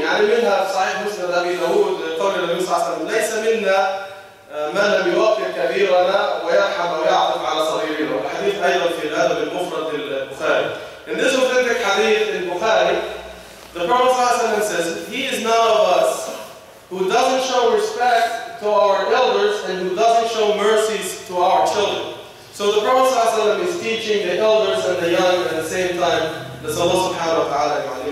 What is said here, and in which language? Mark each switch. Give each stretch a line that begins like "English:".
English: You have Sahih Musnad Abi Dawud, the Nabi Sallallahu Alaihi Wasallam,
Arabic: من لم يوقر كبيرنا ويرحم ويعطف على صغيرنا. الحديث ايضا في الادب المفرد البخاري.
English: In this authentic hadith in Bukhari, the Prophet ﷺ says, He is none of us who doesn't show respect to our elders and who doesn't show mercies to our children. So the Prophet ﷺ is teaching the elders and the young at the same time. The Allah subhanahu wa ta'ala